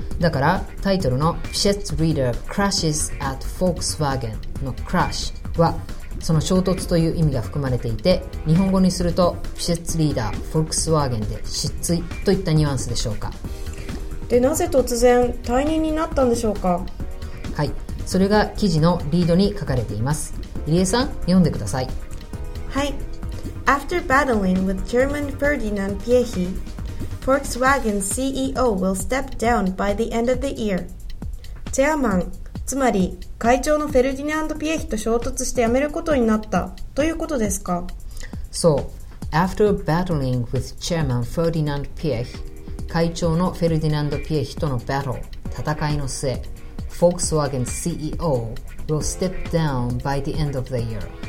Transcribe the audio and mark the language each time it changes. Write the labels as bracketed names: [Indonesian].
[Japanese] だからタイトルの [English] ピシェッツリーダークラッシュズアットフォークスワーゲン [Japanese] のクラッシュはその衝突という意味が含まれていて、日本語にするとピシェッツリーダーフォークスワーゲンで失墜といったニュアンスでしょうか。で、なぜ突然退任になったんでしょうか。はい、それが記事のリードに書かれています。入江さん、読んでください。はい。 [English] After battling with German Ferdinand Piehi, Volkswagen CEO will step down by the end of the year. [Japanese] チェアマン、つまり会長のフェルディナンド・ピエヒと衝突して辞めることになったということですか。そう。 [English] After battling with Chairman Ferdinand Piehi, [Japanese] 会長のフェルディナンド・ピエヒとの [English] battle、 [Japanese] 戦いの末、 [English] Volkswagen CEO will step down by the end of the year.